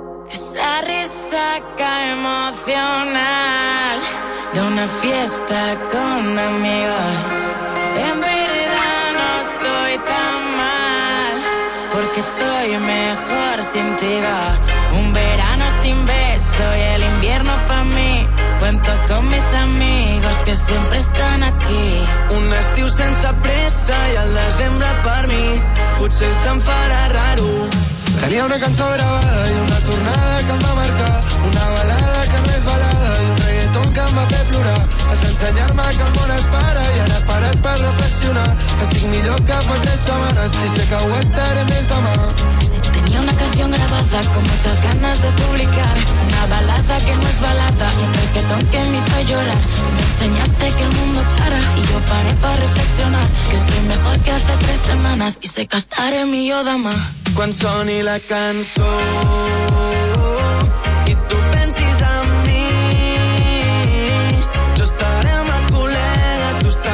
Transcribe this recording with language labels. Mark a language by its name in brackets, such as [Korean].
[Spanish] Esa resaca emocional de una fiesta con amigos. En verdad no estoy tan mal porque estoy mejor sin ti. Un verano sin beso y el invierno pa' cuento con mis amigos que siempre están aquí. [Catalan] Un estiu sense pressa i el desembre per mi potser se'm farà raro. Tenia una cançó gravada i una tornada que em va marcar, una balada que no és balada i un reggaeton que em va fer plorar. Vas ensenyar-me que el món es para i ara he parat per reflexionar. Estic millor que fa 3 setmanes i sé que ho estaré més demà. [Spanish] Tenía una canción grabada con muchas ganas de publicar. Una balada que no es balada y un reggaetón que me hizo llorar. Me enseñaste que el mundo para y yo paré para reflexionar. Que estoy mejor que hace 3 semanas y sé que estaré mi yo dama. Cuando soni la canción y tú pensis en mí, yo estaré más culé de tu